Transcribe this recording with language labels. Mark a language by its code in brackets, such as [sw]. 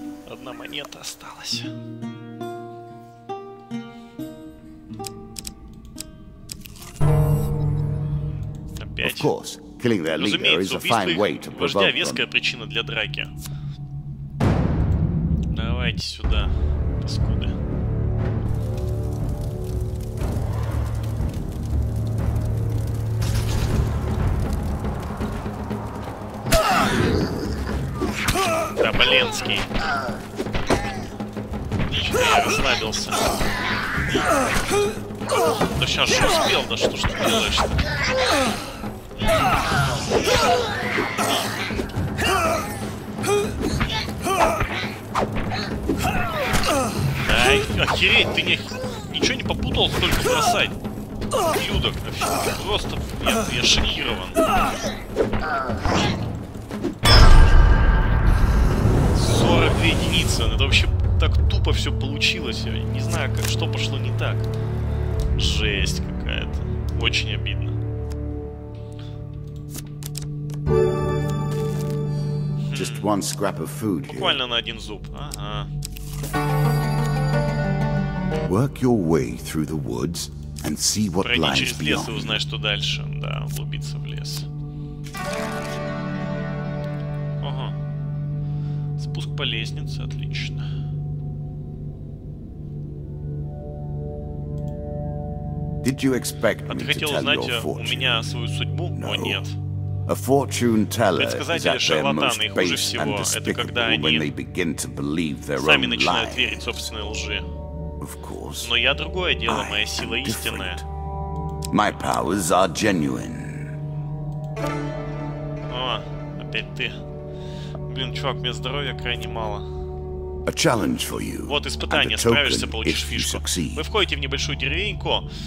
[ru] Одна монета осталась. Опять. [en] Of course, killing their leader is a fine way to provoke them. [ru] Вождя веская причина для драки. Давайте сюда, паскуды. Да, Боленский. Ничего, я расслабился. Да сейчас же успел, да что ж ты делаешь-то? Охереть, ты не, ничего не попутал, столько бросать. Ублюдок, просто я шокирован. Сорок две единицы, это вообще так тупо все получилось. Я не знаю, как, что пошло не так. Жесть какая-то, очень обидно. [en] Just one scrap of food here. [ru] Буквально на один зуб. Ага. [en] Work your way through the woods and see what lies beyond. [ru] Пройди через лес и узнай, что дальше. Да, углубиться в лес. Ага. спуск по лестнице, отлично. [en] Did you expect me to tell your fortune? [ru] А ты хотел узнать у меня свою судьбу? [en] No. [ru] О, нет. [en] A fortune teller is at their most base and despicable when they begin to believe their own lies. Of course. [ru] Но я другое дело, моя сила истинная. [en] My powers are genuine. [ru] О, опять ты. Блин, чувак, мне здоровья крайне мало. [en] A challenge for you. [ru] Вот испытание, справишься, получишь фишку. Вы входите в небольшую деревеньку.